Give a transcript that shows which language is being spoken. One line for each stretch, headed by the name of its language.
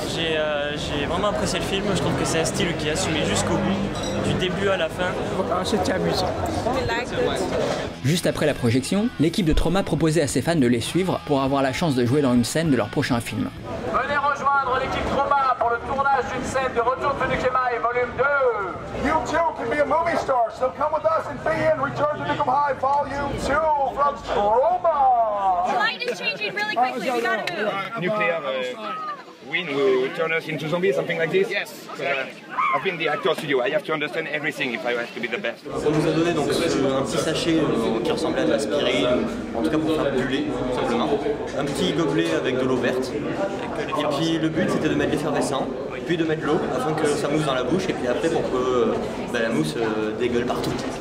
French: J'ai vraiment apprécié le film, je trouve que c'est un style qui est assumé jusqu'au bout, du début à la fin. C'était amusant. Juste après la projection, l'équipe de Trauma proposait à ses fans de les suivre pour avoir la chance de jouer dans une scène de leur prochain film. Venez rejoindre l'équipe Trauma pour le tournage d'une scène de Retour to Nukem High, volume 2.
English: You too can be a movie star, so come with us and be in Return to Nukem High, volume 2 from Trauma. The light is changing really quickly, we gotta move. Nuclear wind will turn us into zombies, something like this? Yes. I've been the actor studio, I have to understand everything if I have to be the best.
French: On nous a donné donc un petit sachet qui ressemblait à de l'aspirine, en tout cas pour faire du lait, tout simplement. Un petit gobelet avec de l'eau verte. Et puis le but c'était de mettre l'effervescent, puis de mettre l'eau afin que ça mousse dans la bouche et puis après pour que la mousse dégueule partout.